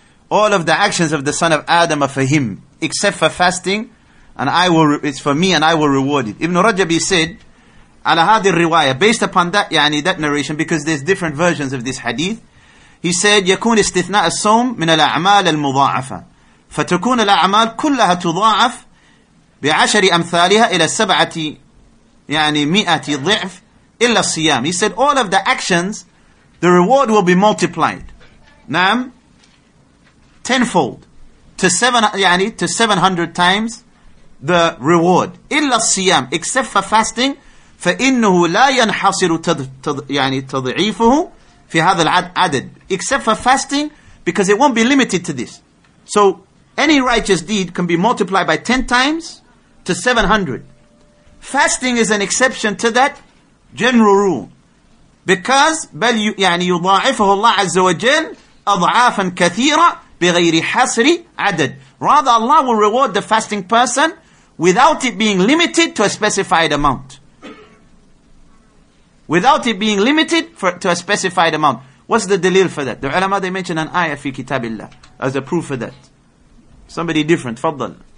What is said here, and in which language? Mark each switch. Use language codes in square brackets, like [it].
[en] All of the actions of the son of Adam are for him, except for fasting, and I will, it's for me and I will reward it. Ibn Rajab, he said, [ar] على هذه الرواية, [en] based upon that, يعني that narration, because there's different versions of this hadith, he said, [ar] يكون استثناء الصوم من الأعمال المضاعفة. فتكون الأعمال كلها تضاعف بعشر أمثالها إلى سبعة يعني مئة ضعف إلا الصيام. [en] He said all of the actions, the reward will be multiplied. نعم, tenfold to seven, يعني to 700 times the reward. [ar] إلا الصيام, [en] except for fasting, [ar] فإنه لا ينحصر يعني تضعيفه في هذا العدد. [en] Except for fasting, because it won't be limited to this. So any righteous deed can be multiplied by 10 times to 700. Fasting is an exception to that general rule. [ar] Because, بَلْ يُضَاعِفَهُ اللَّهُ عَزَّ وَجَلَّ أَضْعَافًا كَثِيرًا بِغَيْرِ حَصْرِ عَدَدٍ. [en] Rather, Allah will reward the fasting person without it being limited to a specified amount. Without it being limited to a specified amount. What's the dalil for that? The ulama, they mention an ayah fi kitabillah as a proof for that. Somebody different. Faddal.